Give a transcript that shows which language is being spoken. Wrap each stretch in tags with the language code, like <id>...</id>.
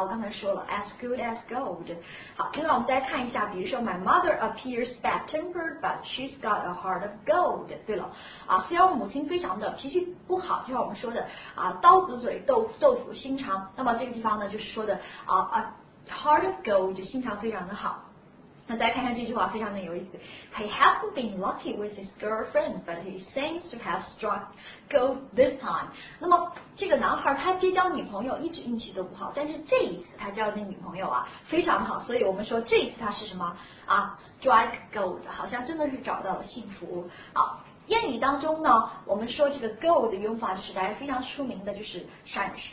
<zh>我刚才说了</zh> <en>as good as gold。</en> <zh>好，另外我们再看一下，比如说</zh> <en>My mother appears bad tempered but she's got a heart of gold。</en> <zh>对了啊，虽然我母亲非常的脾气不好，就像我们说的啊，刀子嘴豆腐心肠，那么这个地方呢就是说的啊Heart of gold， 就心肠非常的好。那再看看这句话，非常的有意思。</zh> <en>He hasn't been lucky with his girlfriend, but he seems to have struck gold this time.</en> <zh>那么这个男孩他结交女朋友一直运气都不好，但是这一次他交的女朋友啊非常好，所以我们说这一次他是什么啊 ？Strike gold， 好像真的是找到了幸福。好，谚语当中呢，我们说这个 gold 的用法就是大家非常出名的，就是闪。</zh>